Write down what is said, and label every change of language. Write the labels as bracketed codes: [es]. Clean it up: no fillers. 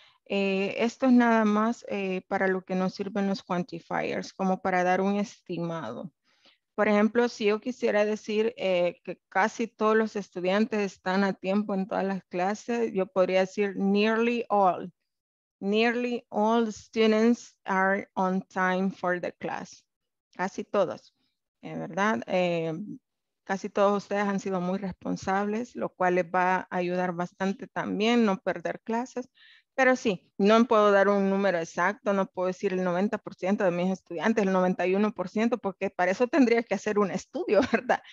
[es] Esto es nada más para lo que nos sirven los quantifiers, como para dar un estimado. Por ejemplo, si yo quisiera decir que casi todos los estudiantes están a tiempo en todas las clases, yo podría decir [en] nearly all. Nearly all students are on time for the class. [es] Casi todos, ¿verdad? Casi todos ustedes han sido muy responsables, lo cual les va a ayudar bastante también, no perder clases. Pero sí, no puedo dar un número exacto, no puedo decir el 90% de mis estudiantes, el 91%, porque para eso tendría que hacer un estudio, ¿verdad?